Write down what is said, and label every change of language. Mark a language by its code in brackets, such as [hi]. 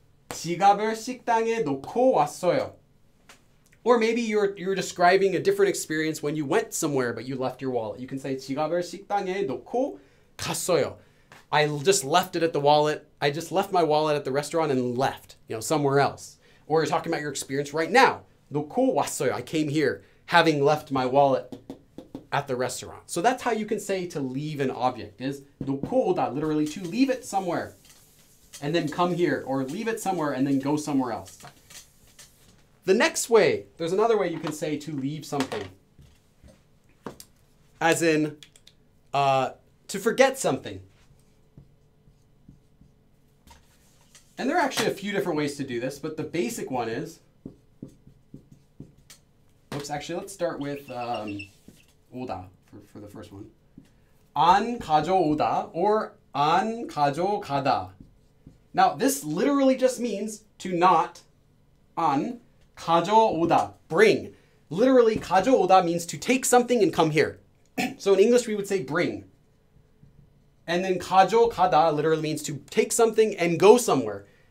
[ko] 지갑을 식당에 놓고 왔어요. [en] Or maybe you're describing a different experience when you went somewhere but you left your wallet. You can say [ko] 지갑을 식당에 놓고 갔어요. [en] I just left it at the wallet. I just left my wallet at the restaurant and left, you know, somewhere else. Or you're talking about your experience right now. [ko] 놓고 왔어요. [en] I came here having left my wallet at the restaurant. So that's how you can say to leave an object is 놓고 오다, literally to leave it somewhere and then come here, or leave it somewhere and then go somewhere else. The next way, there's another way you can say to leave something, as in to forget something. And there are actually a few different ways to do this, but the basic one is, actually let's start with 오다, for the first one. [ko] 안 가져오다, or 안 가져가다. [en] Now, this literally just means to not, 안 가져오다, bring. Literally, 가져오다 means to take something and come here. So in English, we would say bring. And then 가져가다 literally means to take something and go somewhere.